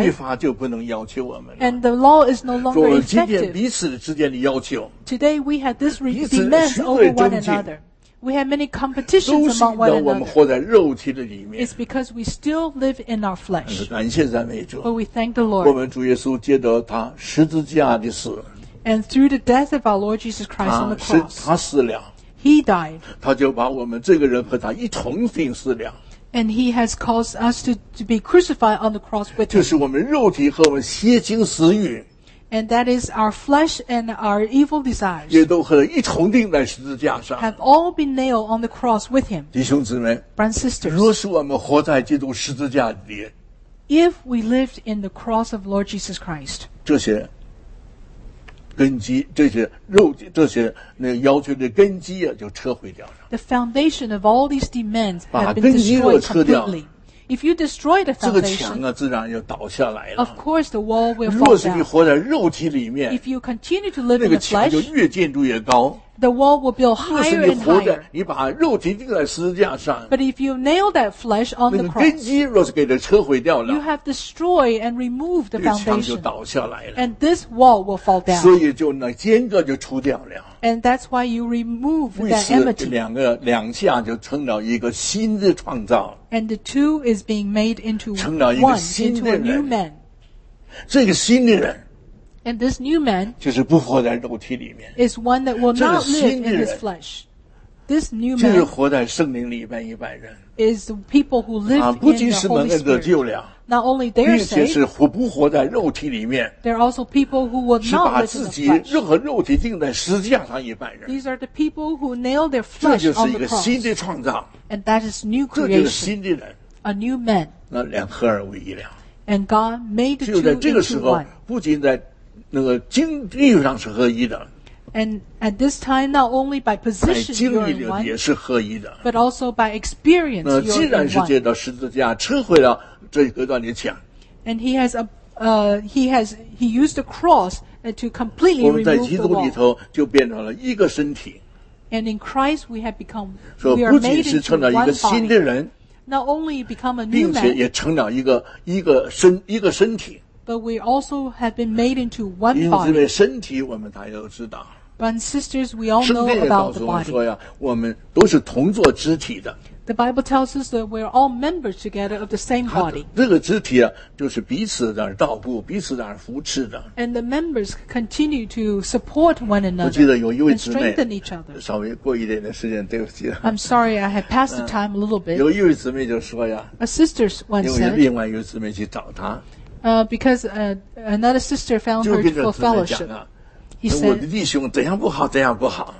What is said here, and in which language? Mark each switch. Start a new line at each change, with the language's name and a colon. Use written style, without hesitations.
Chinese: 律法就不能要求我们了。
English: And the law is no longer effective.
Chinese: 说今天彼此之间的要求。
English: Today we have this demands over one another. We have many competitions among one another.
Chinese: 都是因为我们活在肉体的里面。
English: It's because we still live in our flesh.
Chinese: 感谢赞美主。
English: But we thank the Lord.
Chinese: 我们主耶稣借着他十字架的死。
English: And through the death of our Lord Jesus Christ on the cross,
Chinese: 他死了。
English: He died.
Chinese: 他就把我们这个人和他一同钉死了。
English: And he has caused us to be crucified on the cross with him.
Chinese: 就是我们肉体和我们邪情私欲。
English: And that is our flesh and our evil desires.
Chinese: 也都和他一同钉在十字架上。
English: Have all been nailed on the cross with him.
Chinese: 弟兄姊妹
English: ，brothers and sisters，
Chinese: 若是我们活在基督十字架里
English: ，if we lived in the cross of Lord Jesus Christ，
Chinese: 这些。根基这些肉体这些那要求的根基啊，就撤毁掉了。
English: The foundation of all these demands have been
Chinese: 把根基若撤掉
English: ，if you destroy the foundation，
Chinese: 这个墙啊自然要倒下来了。
English: Of course, the wall will fall down。
Chinese: 若是你活在肉体里面
English: ，if you continue to live in the flesh，
Chinese: 那个墙就越建筑越高。
English: The wall will build higher and higher。
Chinese: 若是你活在你把肉体钉在十字架上
English: ，but if you nail that flesh on the cross，
Chinese: 那个根基若是给它撤毁掉了
English: ，you have destroyed and removed the foundation。
Chinese: 这个墙就倒下来了
English: ，and this wall will fall down。
Chinese: 所以就那间隔就除掉了。
English: And that's why you remove that enmity。
Chinese: 两下就成了一个新的创造。
English: And the two is being made into one，
Chinese: 成了一个新的人。
English: Into a new man。
Chinese: 这个新的人。
English: And this new man
Chinese: 就是不活在肉体里面
English: is one that will not live in his flesh. This new man
Chinese: 就是活在圣灵里面一般人
English: is the people who live in the Holy Spirit.
Chinese: 不仅是能够得救了
English: not only they are saved,
Chinese: 并且是活不活在肉体里面
English: there are also people who will not live in the flesh.
Chinese: 是把自己任何肉体钉在十字架上一般人
English: These are the people who nail their flesh on the cross.
Chinese: 这就是一个新的创造
English: And that is new creation.
Chinese: 这就是新的人
English: A new man.
Chinese: 那两合而为一了
English: And God made the two into one.
Chinese: 就在这个时候不仅在那个经历上是合一的
English: ，and at this time not only by position you are in one，
Chinese: 也是合一的
English: ，but also by experience you are in one。
Chinese: 既然是借着十字架撤回了这隔断的墙
English: ，and he has a he used the cross to completely remove the wall。
Chinese: 我们在基督里头就变成了一个身体
English: ，and in Christ we have become we are made into
Chinese: 说不仅是成了一个新的人
English: ，not only become a new man，
Chinese: 并且也成了一个身体。
English: But we also have been made into one body.
Chinese: 因为这位身体我们大家都知道。
English: But and sisters, we all know about the body.
Chinese: 圣经告诉我们说呀，我们都是同作肢体的。
English: The Bible tells us that we're all members together of the same body.
Chinese: 这个肢体啊，就是彼此在那照顾，彼此在那扶持的。
English: And the members continue to support one another.
Chinese: 我记得有一位姊妹
English: strengthen each other.
Chinese: 稍微过一点点时间，对不起。
English: I'm sorry, I have passed the time a little bit.
Chinese: 有一位姊妹就说呀
English: ，A sister once said.
Chinese: 因为另外一位姊妹去找她。
English: Because another sister found her for fellowship. He said,
Chinese: 我的弟兄怎样不好怎样不好